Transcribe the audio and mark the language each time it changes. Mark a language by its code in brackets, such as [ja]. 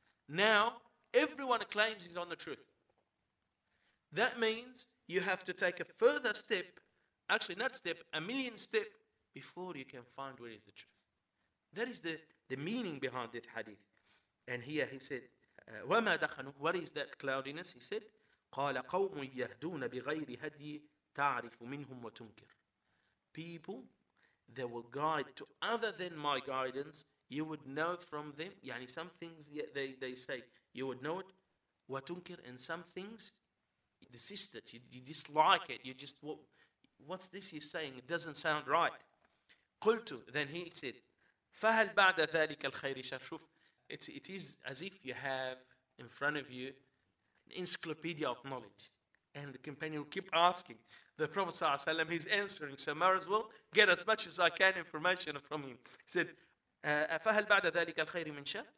[en] Now, everyone claims he's on the truth. That means you have to take a further step, actually not step, a million step, before you can find where is the truth. That is the meaning behind this hadith. And here he said, [ar] وَمَا دَخَنُ. [en] What is that cloudiness? He said, [ar] قَالَ قَوْمٌ يَهْدُونَ بِغَيْرِ هَدِي تَعْرِفُ مِنْهُمْ وَتُنْكِرُ. [en] People, they will guide to other than my guidance, you would know from them, yani some things they say, you would know it, [ar] وَتُنْكِرُ, [en] and some things, desist it, you dislike it, you just, what's this he's saying, it doesn't sound right. [ar] قُلْتُ, [en] then he said, [ar] فَهَلْ بَعْدَ ذَلِكَ الْخَيْرِ شَرْشُفْ. [en] It is as if you have in front of you an encyclopedia of knowledge. And the companion will keep asking. The Prophet sallallahu alayhi wa sallam, he's answering, so I might as well get as much as I can information from him. He said, [ar] فَهَلْ بَعْدَ ذَلِكَ الْخَيْرِ مِنْ شَرْ.